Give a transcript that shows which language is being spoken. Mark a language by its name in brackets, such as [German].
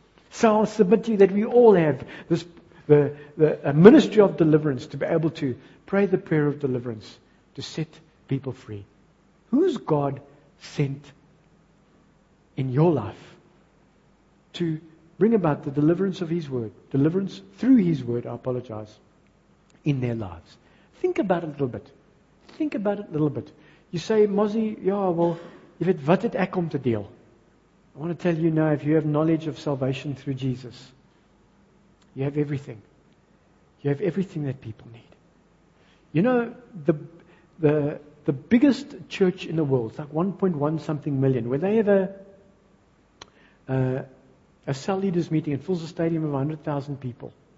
[English] So I'll submit to you that we all have this the ministry of deliverance to be able to pray the prayer of deliverance to set people free. Who's God sent in your life to bring about the deliverance of His Word, deliverance through His Word, I apologize, in their lives? Think about it a little bit. Think about it a little bit. You say, Mozzie, yeah, well, if it [Afrikaans] wat het ek om te deel? [English] I want to tell you now, if you have knowledge of salvation through Jesus, you have everything. You have everything that people need. You know, the biggest church in the world, it's like 1.1 something million, where they have a cell leaders meeting, it fills a stadium of 100,000 people.